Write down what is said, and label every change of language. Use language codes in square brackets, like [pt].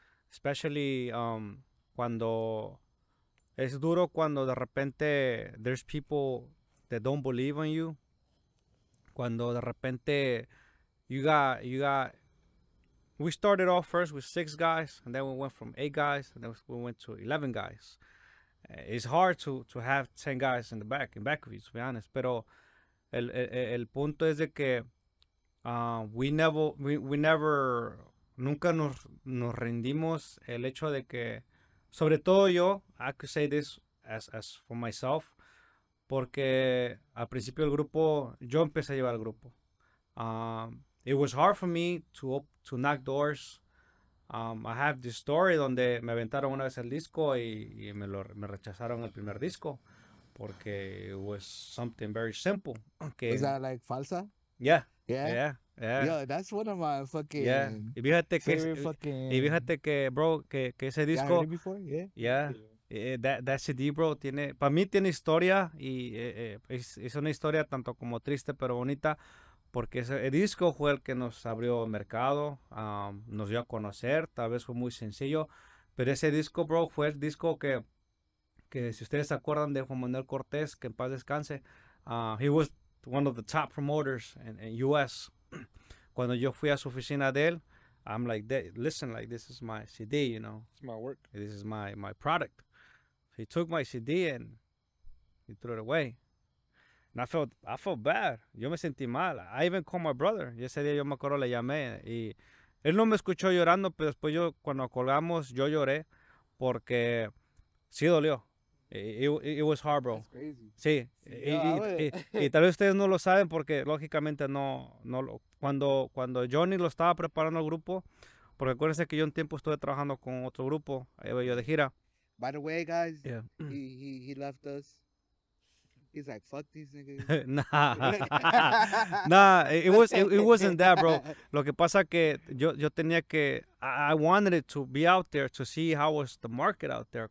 [en] Especially [es] cuando... Es duro cuando de repente [en] there's people that don't believe in you. [es] Cuando de repente [en] you got, we started off first with 6 guys, and then we went from 8 guys, and then we went to 11 guys. It's hard to have 10 guys in back of you, to be honest. [es] Pero el punto es de que nunca nos rendimos el hecho de que. Sobre todo yo, [en] I could say this as for myself, [es] porque al principio el grupo, yo empecé a llevar el grupo. [en] It was hard for me to knock doors. I have this story [es] donde me aventaron una vez el disco y me rechazaron el primer disco [en] porque it was something very simple. Okay. Is that like [es] falsa? [en] Yeah. Yeah. Yeah. Yeah. Yo, that's one of my fucking. Yeah. [es] Y fíjate que ese disco. [en] Yeah, I heard it before. Yeah. Yeah. That CD, bro, [es] tiene. Para mí tiene historia. Y es una historia tanto como triste, pero bonita. Porque ese disco fue el que nos abrió mercado. Nos dio a conocer. Tal vez fue muy sencillo. Pero ese disco, bro, fue el disco que si ustedes se acuerdan de Juan Manuel Cortés, que en paz descanse. [en] He was one of the top promoters in US. [es] Cuando yo fui a su oficina de él, [en] I'm like, listen, like, this is my CD, you know. It's my work. This is my product. So he took my CD and he threw it away. And I felt bad. [es] Yo me sentí mal. [en] I even called my brother. [es] Y ese día yo me acuerdo, le llamé. Y él no me escuchó llorando, pero después yo, cuando colgamos, yo lloré. Porque sí dolió. [en] It was hard, bro. That's crazy. [es] Sí. Y tal vez ustedes no lo saben porque lógicamente no lo, cuando Johnny lo estaba preparando al grupo, porque acuérdense que yo un tiempo estuve trabajando con otro grupo, yo de gira. [en] By the way, guys, yeah. he left us. He's like, fuck these niggas. Nah, it wasn't that, bro. [es] Lo que pasa que yo tenía que, [en] I wanted it to be out there to see how was the market out there.